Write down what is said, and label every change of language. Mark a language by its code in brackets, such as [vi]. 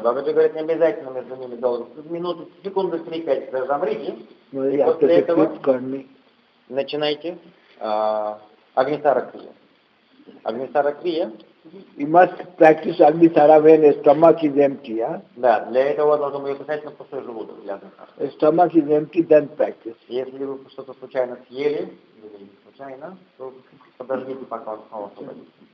[ru] Бабаджи говорит, не обязательно между ними долго. Минуты, секунды, 3-5 замрите. Ну, и после этого начинайте Агнисара Крия. Агнисара Крия. [en] You must practice Agnisara when the stomach is empty, yeah? [ru] Да, для этого должно быть обязательно пустой желудок. [en] The stomach is empty, then practice. [ru] Если вы что-то случайно съели, или не случайно, то подождите, пока он снова освободится.